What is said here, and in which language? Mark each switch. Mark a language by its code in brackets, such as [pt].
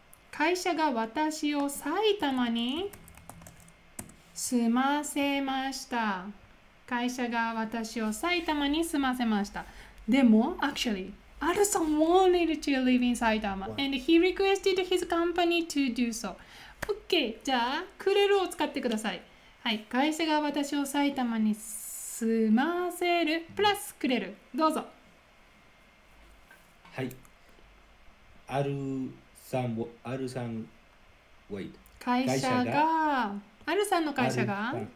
[ja] 会社が私を埼玉に住ませました。会社が私を埼玉に住ませました。でも、 [en] actually、アルソン wanted to live in 埼玉、What? and he requested his company to do so. OK! [ja] じゃあ、クレルを使ってください。はい。会社が私を埼玉に住ませる。プラスクレル。どうぞ。はい。アルさん、アルさん、wait。会社が、アルさんの会社が、